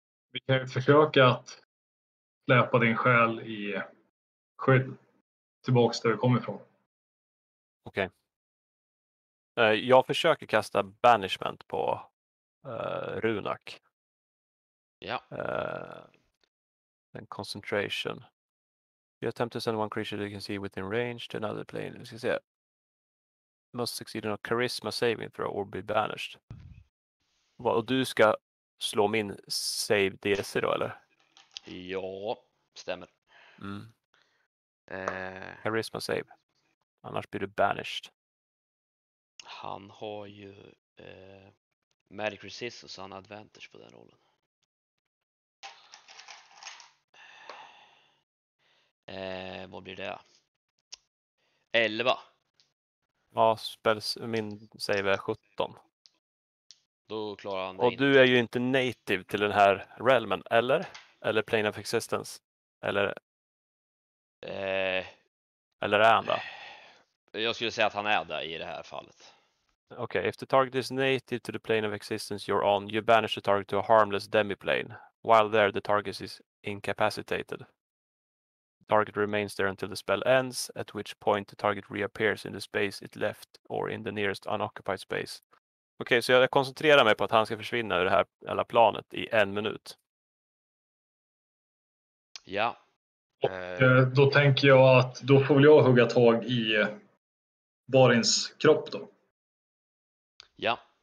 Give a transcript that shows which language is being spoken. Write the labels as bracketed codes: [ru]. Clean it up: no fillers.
[sv] Vi kan ju försöka att släpa din själ i skydd tillbaka där du kommer ifrån. Okej. Okay. Jag försöker kasta banishment på Runak. Ja. [en] Then concentration. You attempt to send one creature you can see within range to another plane. [sv] Vi ska se. [en] Must succeed in a charisma saving throw or be banished. [sv] Well, och du ska slå min save DC då, eller? Ja, stämmer. [en] Mm. Charisma save. [sv] Annars blir du banished. Han har ju magic resist och så han har advantage på den rollen. Vad blir det? 11. Ja, spells, min save är 17. Då klarar han det. Och inte. Du är ju inte native till den här realmen, eller? Eller plane of existence? Eller? Eller är han då? Jag skulle säga att han är där i det här fallet. [en] Okay, if the target is native to the plane of existence you're on, you banish the target to a harmless demiplane. While there, the target is incapacitated. Target remains there until the spell ends, at which point the target reappears in the space it left or in the nearest unoccupied space. [sv] Okej, okay, så jag koncentrerar mig på att han ska försvinna ur det här hela planet i en minut. Ja. Och då tänker jag att då får jag hugga tag i Barins kropp då. Ja.